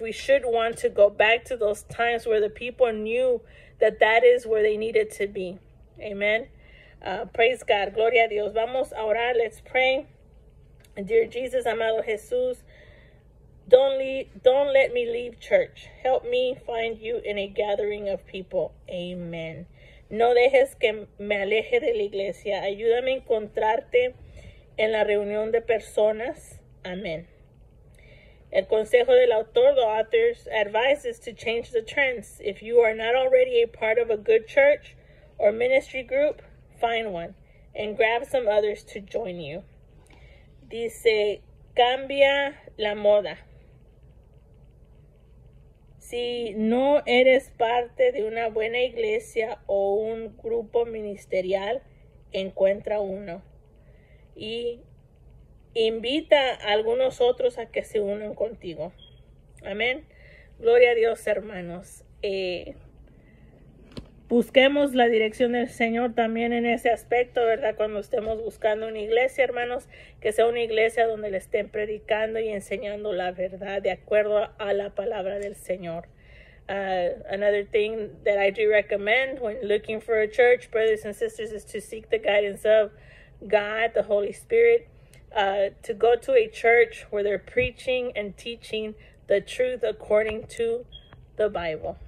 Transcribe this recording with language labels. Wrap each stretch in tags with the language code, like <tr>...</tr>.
<en>We should want to go back to those times where the people knew that that is where they needed to be. Amen. Praise God.</en> <es>Gloria a Dios. Vamos a orar.</es> <en>Let's pray. Dear Jesus,</en> <es>amado Jesus,</es> <en>don't let me leave church. Help me find you in a gathering of people. Amen.</en> <es>No dejes que me aleje de la iglesia. Ayúdame a encontrarte en la reunión de personas. Amen. El consejo del autor,</es> <en>the author's advice, is to change the trends. If you are not already a part of a good church or ministry group, find one and grab some others to join you.</en> <es>Dice, cambia la moda. Si no eres parte de una buena iglesia o un grupo ministerial, encuentra uno. Y invita a algunos otros a que se unan contigo. Amén. Gloria a Dios, hermanos. Busquemos la dirección del Señor también en ese aspecto, ¿verdad? Cuando estemos buscando una iglesia, hermanos, que sea una iglesia donde le estén predicando y enseñando la verdad de acuerdo a la palabra del Señor.</es> <en>Another thing that I do recommend when looking for a church, brothers and sisters, is to seek the guidance of God, the Holy Spirit, to go to a church where they're preaching and teaching the truth according to the Bible.</en>